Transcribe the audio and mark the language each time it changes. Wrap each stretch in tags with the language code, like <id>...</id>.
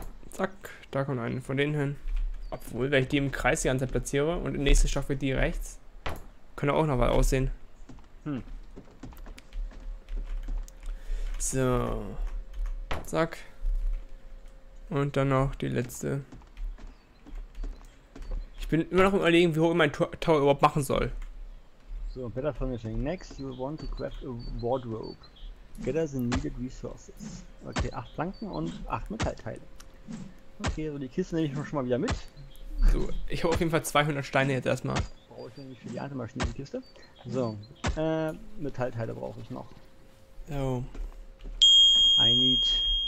<de>Zack, da kommt einen von denen hin. Obwohl, wenn ich die im Kreis die ganze Zeit platziere und im nächsten Stock wird die rechts, könnte auch noch was aussehen. So. Zack. Und dann noch die letzte. Ich bin immer noch im Überlegen, wie hoch ich mein Tower überhaupt machen soll. So, Better Furnishing.</de> <en>Next, you want to craft a wardrobe. Gather the needed resources.</en> <de>Okay, 8 Planken und 8 Metallteile. Okay, so die Kiste nehme ich schon mal wieder mit. So, ich habe auf jeden Fall 200 Steine jetzt erstmal. Brauche ich nämlich für die andere Maschine die Kiste. So, Metallteile brauche ich noch. Oh.</de> <en>I need.</en>